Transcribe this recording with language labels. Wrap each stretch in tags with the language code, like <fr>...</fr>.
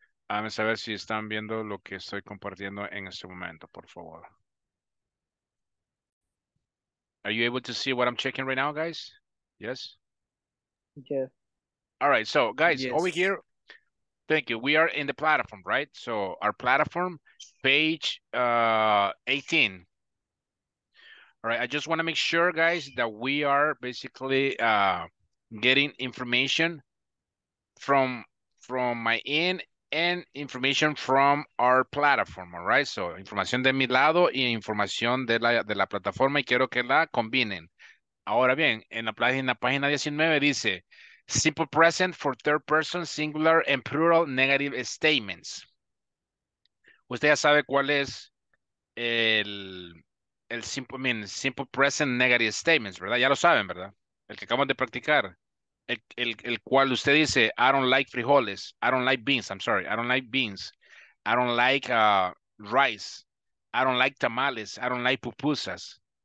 <es>Déjame saber si están viendo lo que estoy compartiendo en este momento, por favor.</es> <en>Are you able to see what I'm checking right now, guys? Yes? Yes. All right, so guys, yes. Over here, thank you. We are in the platform, right? So our platform, page 18. All right, I just want to make sure, guys, that we are basically getting information from my end and information from our platform, all right?</en> <es>So, información de mi lado y información de la plataforma y quiero que la combinen. Ahora bien, en la página 19 dice,</es> <en>simple present for third person, singular and plural negative statements.</en> <es>Usted ya sabe cuál es el</es> <en>simple present negative statements,</en> <es>¿verdad? Ya lo saben, ¿verdad? El que acabamos de practicar. El cual usted dice,</es> <en>I don't like frijoles, I don't like beans, I'm sorry, I don't like beans, I don't like rice, I don't like tamales, I don't like pupusas.</en>